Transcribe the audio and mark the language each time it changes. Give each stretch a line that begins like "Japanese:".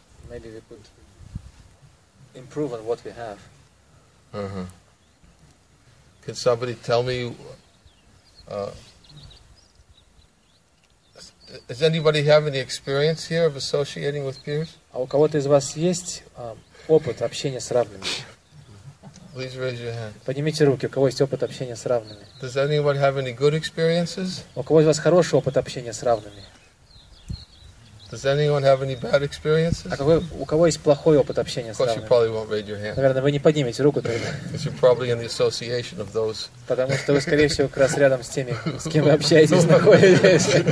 English: Maybe we could improve on what we have. Uh-huh. Can somebody tell me? Does anybody have any experience here of associating with peers?
Russian: А у кого-то из вас есть опыт общения с равными?
English: Please raise your hand.
Russian: Поднимите руки, у кого есть опыт общения с равными.
English: Does anyone have any good experiences?
Russian: У кого из вас хороший опыт общения с равными?
English: Does anyone have any bad experiences?
Russian: А у кого есть плохой опыт общения с равными?
English: You probably won't raise your hand.
Russian: Наверное, вы не поднимете руку тогда.
English: Because you're probably in the association of those.
Russian: Потому что вы, скорее всего, как раз рядом с теми, с кем вы общаетесь, находитесь.